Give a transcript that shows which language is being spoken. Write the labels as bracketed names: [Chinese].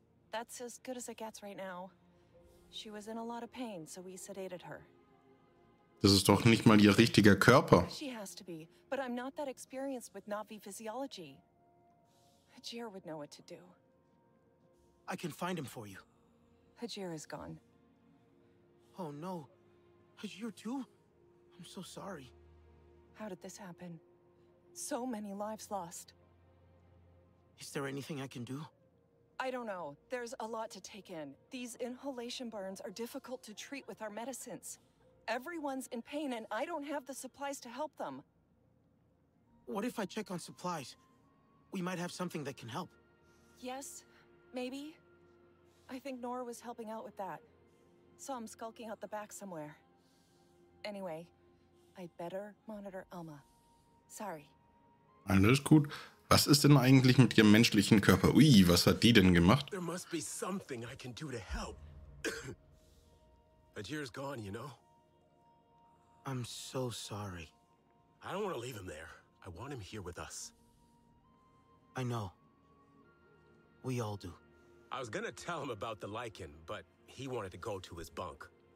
[English] That's as good as it gets right now. She was in a lot of pain, so we sedated her. [German] Das ist doch nicht mal ihr richtiger Körper. [English] She has to be, but I'm not that experienced with Na'vi physiology. Hajir would know what to do. I can find him for you. Hajir is gone. Oh no. Hajir too? I'm so sorry. How did this happen? So many lives lost. Is there anything I can do? I don't know. There's a lot to take in. These inhalation burns are difficult to treat with our medicines. Everyone's in pain, and I don't have the supplies to help them. What if I check on supplies? We might have something that can help. Yes, maybe. I think Nora was helping out with that. Saw him skulking out the back somewhere. Anyway, I'd better monitor Alma. Sorry. [German] Alles gut. Was ist denn eigentlich mit ihrem menschlichen Körper? Was hat die denn gemacht? [English] There must be something I can do to help. Hajir's gone, you know? I'm so sorry. I don't want to leave him there. I want him here with us. I know. We all do. I was gonna tell him about the lichen, but he wanted to go to his bunk.